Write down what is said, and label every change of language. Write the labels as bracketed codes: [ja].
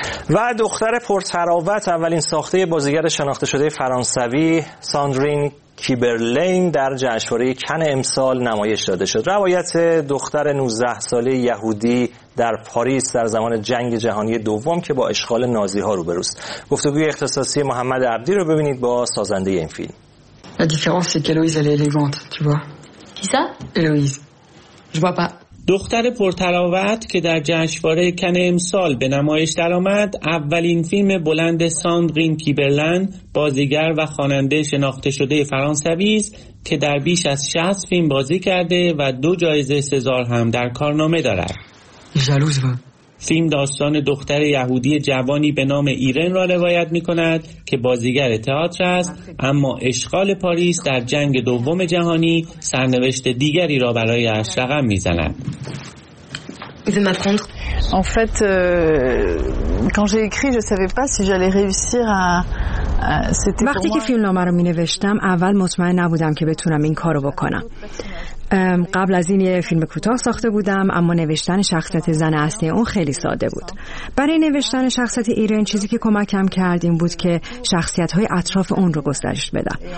[fa] و دختر پرتراوت اولین ساخته بازیگر شناخته شده فرانسوی ساندرین کیبرلین در جشنواره کن امسال نمایش داده شد. روایت دختر 19 ساله یهودی در پاریس در زمان جنگ جهانی دوم که با اشغال نازی ها روبروست. گفتگوی اختصاصی محمد عبدی رو ببینید با سازنده این فیلم. [fr] La différence c'est qu'Eloise elle est élégante, tu vois. Qui ça? Eloise. Je vois pas. [fa] دختر پرتراوت که در جشنواره کن امسال به نمایش درآمد، اولین فیلم بلند ساندرین کیبرلن، بازیگر و خواننده شناخته شده فرانسوی است که در بیش از 60 فیلم بازی کرده و 2 جایزه سزار هم در کارنامه دارد. جالوز و فیلم داستان دختر یهودی جوانی به نام ایرن را روایت می کند که بازیگر تئاتر است، اما اشغال پاریس در جنگ دوم جهانی سرنوشت دیگری را برای اش رقم می زند. [fr] En fait, quand j'ai écrit, je savais pas si j'allais réussir à. [fa] وقتی که فیلم نامه رو می نوشتم، اول مطمئن نبودم که بتونم این کارو بکنم. قبل از این یه فیلم کوتاه ساخته بودم، اما نوشتن شخصیت زن اصلی اون خیلی ساده بود. برای نوشتن شخصیت ایرن چیزی که کمکم کرد این بود که شخصیت‌های اطراف اون رو گسترش بدم.